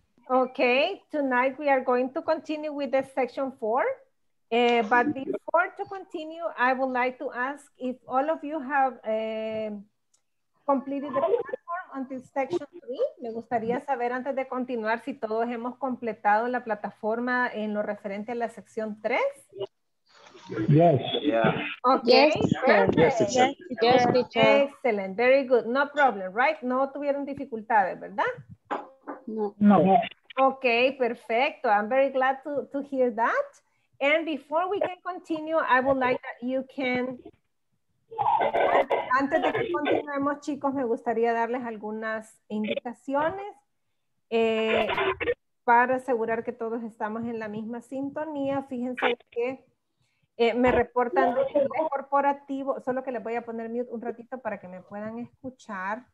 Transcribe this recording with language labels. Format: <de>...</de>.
<en>Okay, tonight we are going to continue with the section four. But before to continue, I would like to ask if all of you have completed the until section 3.</en> <es>Me gustaría saber antes de continuar si todos hemos completado la plataforma en lo referente a la sección 3.</es> <en>Yes. Yeah. Okay. Yes. Yes, teacher. Yes, teacher. Excellent. Very good. No problem, right?</en> <es>No tuvieron dificultades, ¿verdad? No. No.</es> <en>Okay, perfecto. I'm very glad to hear that. And before we can continue, I would like that you can...</en> <es>Antes de que continuemos, chicos, me gustaría darles algunas indicaciones para asegurar que todos estamos en la misma sintonía. Fíjense que me reportan de inglés corporativo, solo que les voy a poner mute un ratito para que me puedan escuchar.</es>